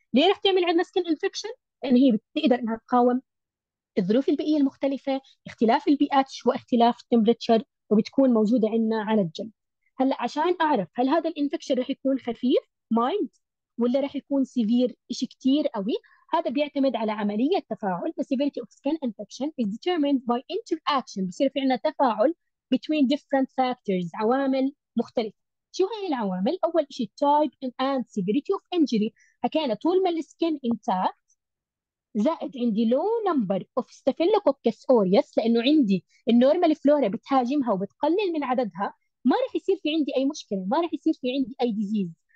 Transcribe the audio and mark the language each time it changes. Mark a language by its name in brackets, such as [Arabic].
[Arabic] ليه راح تعمل عندنا سكن انفكشن؟ لان هي بتقدر انها تقاوم الظروف البيئية المختلفة، اختلاف البي اتش واختلاف التمبريتشر، وبتكون موجودة عندنا على الجلد. هلا عشان اعرف هل هذا الانفكشن راح يكون خفيف مايلد ولا راح يكون سيفير شيء كثير قوي، هذا بيعتمد على عملية تفاعل. [English] The severity of skin infection is determined by interaction، [Arabic] بصير في عندنا تفاعل [English] between different factors، [Arabic] عوامل مختلفة. شو هاي العوامل؟ اول شيء [English] type and severity of injury. [Arabic] حكينا طول ما السكن intact زائد عندي لو نمبر اوف ستافيلوكوكس اوريس، لانه عندي النورمال فلورا بتهاجمها وبتقلل من عددها، ما راح يصير في عندي اي مشكله، ما راح يصير في عندي اي ديزيز.